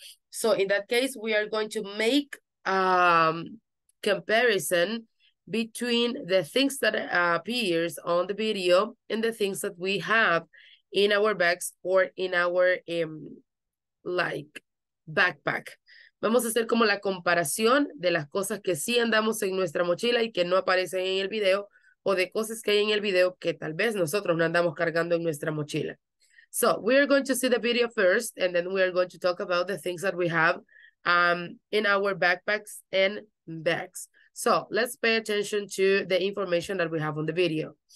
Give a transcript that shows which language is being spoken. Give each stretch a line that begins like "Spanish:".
English: So in that case, we are going to make a comparison between the things that appears on the video and the things that we have in our bags or in our like backpack.
Spanish: Vamos a hacer como la comparación de las cosas que sí andamos en nuestra mochila y que no aparecen en el video, o de cosas que hay en el video que tal vez nosotros no andamos cargando en nuestra mochila.
English: So, we are going to see the video first, and then we are going to talk about the things that we have in our backpacks and bags. So, let's pay attention to the information that we have on the video.